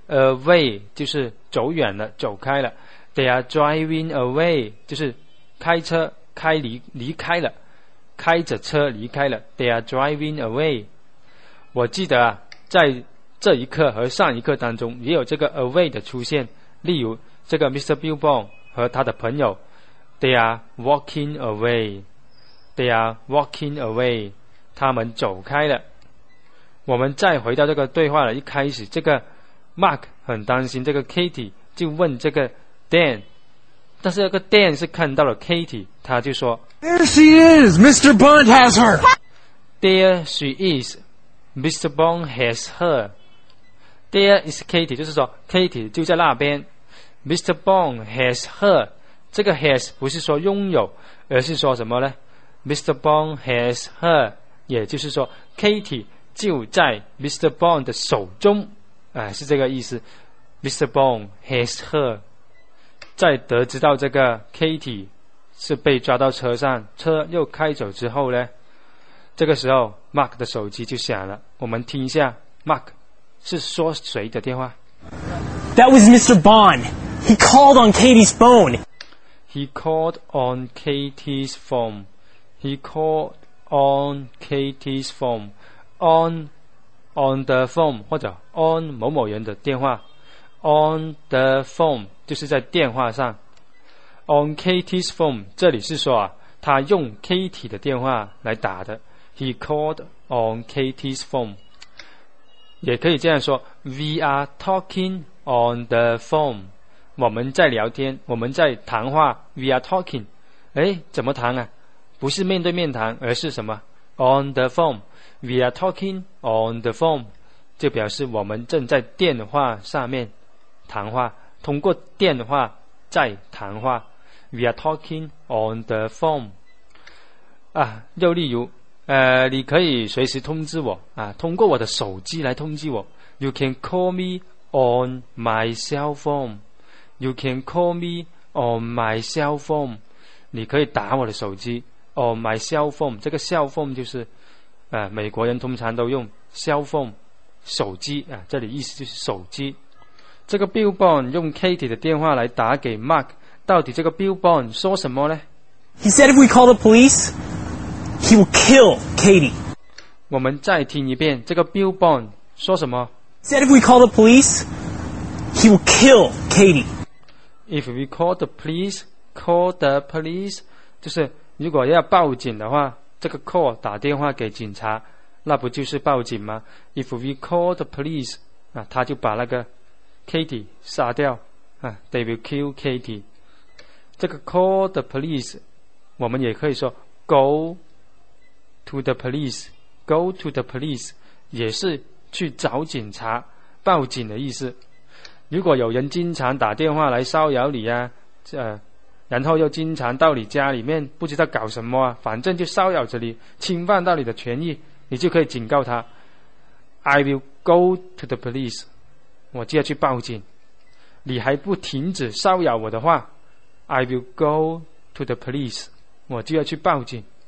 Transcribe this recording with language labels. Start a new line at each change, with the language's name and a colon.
Chinese: Away 就是走远了，走开了。
English: They are driving away
Chinese: 就是开车开离开了，开着车离开了。
English: They are driving away.
Chinese: 我记得啊，在这一课和上一课当中也有这个 away 的出现，例如这个 Mr.
English: Bill Bond
Chinese: 和他的朋友
English: They are walking away. They are walking away.
Chinese: 他们走开了。我们再回到这个对话了，一开始这个 Mark 很担心这个 Katie， 就问这个 Dan， 但是这个 Dan 是看到了 Katie， 他就说
English: There she is, Mr. Bond has her. There she is, Mr. Bond has herThere is Katie，
Chinese: 就是说
English: Katie
Chinese: 就在那边。
English: Mr. Bond has her，
Chinese: 这个 has 不是说拥有，而是说什么呢？
English: Mr. Bond has her，
Chinese: 也就是说 Katie 就在 Mr. Bond 的手中，是这个意思。
English: Mr. Bond has her。
Chinese: 在得知到这个 Katie 是被抓到车上，车又开走之后呢，这个时候 Mark 的手机就响了。我们听一下 Mark是说谁的电话。
English: That was Mr. Bond. He called on Katie's phone. He called on Katie's phone. He called on Katie's phone. On the phone
Chinese: 或者
English: on
Chinese: 某某人的电话。
English: On the phone
Chinese: 就是在电话上。
English: On Katie's phone
Chinese: 这里是说他用 Katie 的电话来打的。
English: He called on Katie's phone，
Chinese: 也可以这样说
English: We are talking on the phone.
Chinese: 我们在聊天，我们在谈话 ，
English: we are talking。
Chinese: 哎，怎么谈啊？不是面对面谈，而是什么 ？
English: On the phone， we are talking on the phone，
Chinese: 就表示我们正在电话上面谈话，通过电话在谈话。
English: We are talking on the phone。
Chinese: 啊，又例如，你可以随时通知我啊，通过我的手机来通知我。
English: You can call me on my cell phone。 You can call me on my cell phone。
Chinese: 你可以打我的手机。 On my cell phone， 这个 cell phone 就是，美国人通常都用 cell phone， 手机啊，这里意思就是手机。这个 Bill Bond 用 Katie 的电话来打给 Mark， 到底这个 Bill Bond 说什么呢
English: ？He said if we call the police, he will kill Katie。
Chinese: 我们再听一遍，这个 Bill Bond 说什么
English: ？He said if we call the police, he will kill Katie。 If we call the police, call the police，
Chinese: 就是。如果要报警的话，这个 call 打电话给警察，那不就是报警吗 ？
English: If we call the police，
Chinese: 啊，他就把那个 Katie 杀掉啊 ，
English: they will kill Katie。这个 call the police，
Chinese: 我们也可以说
English: go to the police，go to the police
Chinese: 也是去找警察报警的意思。如果有人经常打电话来骚扰你啊，然后又经常到你家里面，不知道搞什么啊，反正就骚扰着你，侵犯到你的权益，你就可以警告他
English: I will go to the police，
Chinese: 我就要去报警，你还不停止骚扰我的话 I will go to the police， 我就要去报警。